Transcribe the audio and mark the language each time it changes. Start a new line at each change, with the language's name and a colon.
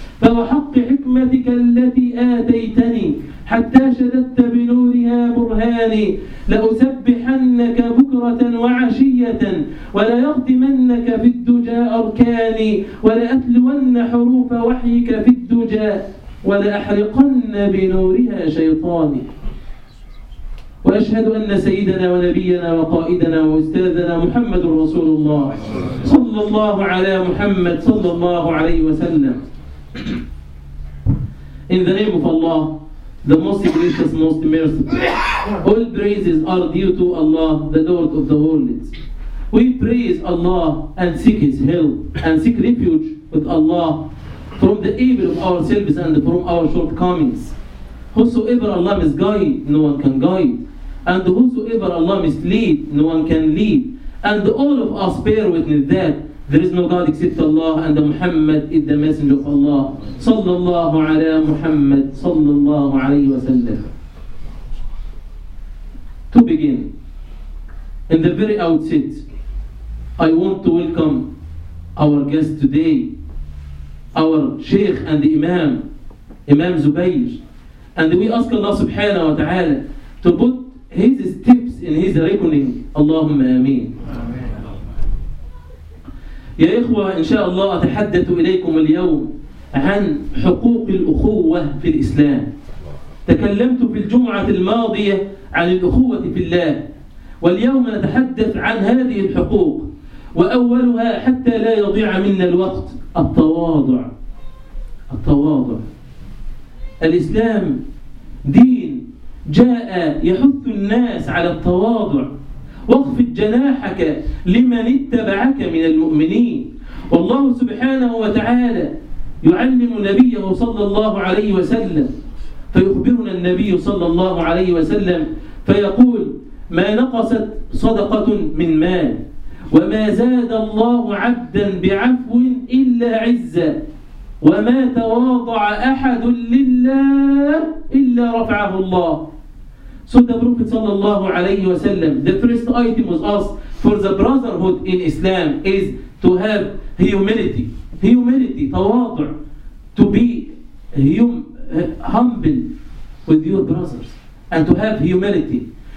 Arabic: فوحق حكمتك التي آتيتني حتى شددت بنورها برهاني، لأسبحنك بكرة وعشية، وليغتمنك في الدجى أركاني، ولأتلون حروف وحيك في الدجى، ولأحرقن بنورها شيطاني. وأشهد أن سيدنا ونبينا وقائدنا وأستاذنا محمد رسول الله، صلى الله على محمد صلى الله عليه وسلم.
English: In the name of Allah, the most gracious, most merciful. All praises are due to Allah, the Lord of the worlds. We praise Allah and seek His help and seek refuge with Allah from the evil of ourselves and from our shortcomings. Whosoever Allah misguide, no one can guide. And whosoever Allah mislead, no one can lead. And all of us bear witness that there is no God except Allah, and Muhammad is the messenger of Allah. Sallallahu ala Muhammad, sallallahu alayhi wa sallam. To begin, in the very outset, I want to welcome our guest today, our Sheikh and the Imam, Imam Zubayr. And we ask Allah subhanahu wa ta'ala to put his steps in his reckoning. Allahumma ameen. Amen.
Arabic: يا إخوة إن شاء الله أتحدث إليكم اليوم عن حقوق الأخوة في الإسلام. تكلمت في الجمعة الماضية عن الأخوة في الله، واليوم نتحدث عن هذه الحقوق، وأولها حتى لا يضيع منا الوقت التواضع. التواضع، الإسلام دين جاء يحث الناس على التواضع. واخفض جناحك لمن اتبعك من المؤمنين. والله سبحانه وتعالى يعلم نبيه صلى الله عليه وسلم، فيخبرنا النبي صلى الله عليه وسلم فيقول: ما نقصت صدقة من مال، وما زاد الله عبدا بعفو إلا عزة، وما تواضع أحد لله إلا رفعه الله.
English: So the Prophet sallallahu alayhi wa sallam, the first item was asked for the brotherhood in Islam is to have humility. Humility, tawadu', to be humble with your brothers and to have humility.